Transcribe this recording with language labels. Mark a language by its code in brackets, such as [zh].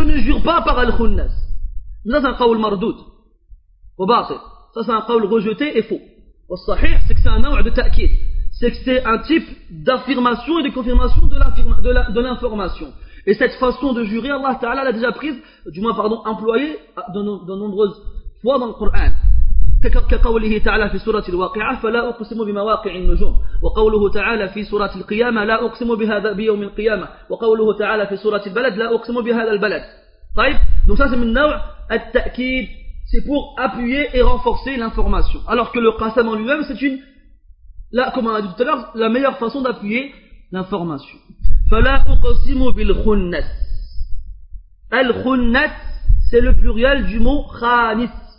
[fr] Je ne jure pas par الْخُنَّسِ. Ça, c'est un qawl mardoud. Ça, c'est un qawl rejeté et faux. Au sahih, c'est que c'est un nawa de ta'kid. C'est que c'est un type d'affirmation et de confirmation de l'information. Et cette façon de jurer, Allah Ta'ala l'a déjà prise, du moins, pardon, employée de nombreuses fois dans le Coran. [ar] كقوله تعالى في سورة الواقعة فلا أقسم بمواقع النجوم وقوله تعالى في سورة القيامة لا أقسم بهذا بيوم القيامة وقوله تعالى في سورة البلد لا أقسم بهذا البلد. [fr] طيب, donc ça c'est un nawa de ta'kid. C'est pour appuyer et renforcer l'information. Alors que le qasam en lui-même, c'est une, là, comme on l'a dit tout à l'heure, la meilleure façon d'appuyer l'information. [ar] فَلَا أُقَسِمُ بِالْخُنَّسِ. [fr] Al-Khunnat, c'est le pluriel du mot Khanis.